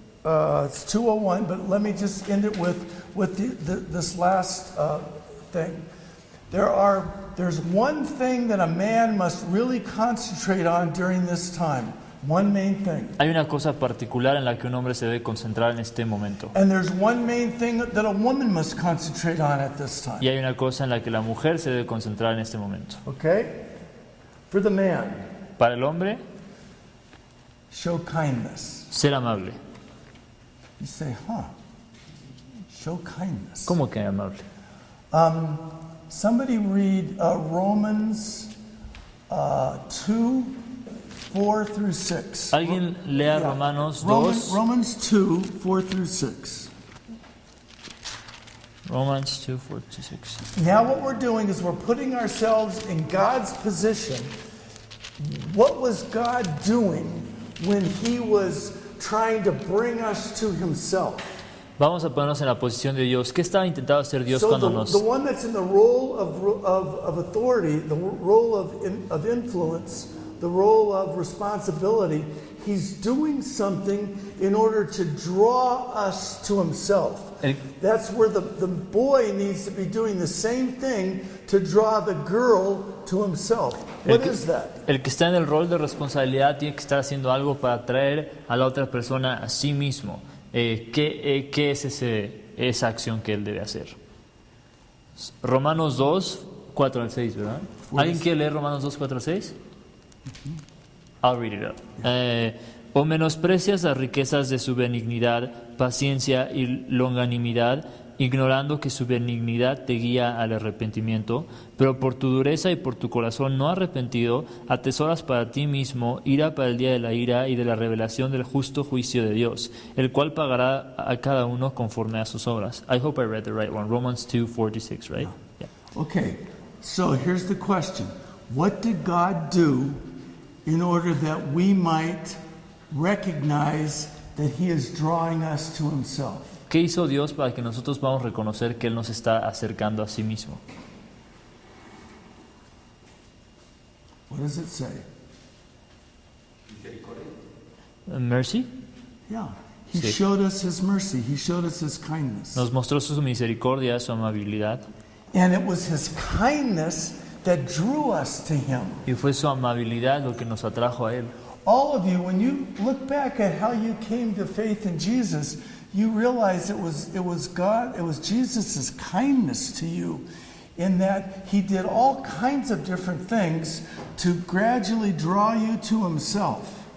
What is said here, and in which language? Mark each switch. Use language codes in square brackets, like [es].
[en] It's 2:01, but let me just end it with this last thing. There's one thing that a man must really concentrate on during this time. One main thing. [es] Hay una cosa particular en la que un hombre se debe concentrar en este momento. [en] And there's one main thing that a woman must concentrate on at this time. [es] Y hay una cosa en la que la mujer se debe concentrar en este momento. [en] Okay? For the man. [es] Para el hombre. [en] Show kindness. [es] Ser amable. [en] You say, huh? Show kindness. [es] ¿Cómo que amable? [en] Somebody read Romans 2:4 through 6. [es] Alguien lea yeah. Romanos 2. [en] Romans 2:4 through 6. Romans 2:46. Now what we're doing is we're putting ourselves in God's position. What was God doing when he was trying to bring us to himself? [es] Vamos a ponernos en la posición de Dios. ¿Qué estaba intentando hacer Dios cuando nos... [en] The one that's in the role of authority, the role of influence, the role of responsibility, he's doing something in order to draw us to himself. That's where the boy needs to be doing the same thing to draw the girl to himself. What is that? [es] El que está en el rol de responsabilidad tiene que estar haciendo algo para atraer a la otra persona a sí mismo. ¿Qué es esa acción que él debe hacer? Romanos 2, 4 al 6, ¿verdad? ¿Alguien quiere leer Romanos 2, 4 al 6? [en] I'll read it up. [es] O menosprecias las riquezas de su benignidad, paciencia y longanimidad, ignorando que su benignidad te guía al arrepentimiento, pero por tu dureza y por tu corazón no arrepentido, atesoras para ti mismo ira para el día de la ira y de la revelación del justo juicio de Dios, el cual pagará a cada uno conforme a sus obras. [en] I hope I read the right one. Romans 2:46, right? No. Yeah. Okay, so here's the question. What did God do in order that we might recognize that he is drawing us to himself? [es] ¿Qué hizo Dios para que nosotros podamos reconocer que él nos está acercando a sí mismo? [en] What does it say? Mercy? Yeah. He showed us his mercy. He showed us his kindness. [es] Nos mostró su misericordia, su amabilidad. [en] And it was his kindness that drew us to him. [es] Y fue su amabilidad lo que nos atrajo a él. [en] All of you, when you look back at how you came to faith in Jesus, you realize it was God, it was Jesus' kindness to you, in that he did all kinds of different things to gradually draw you to himself.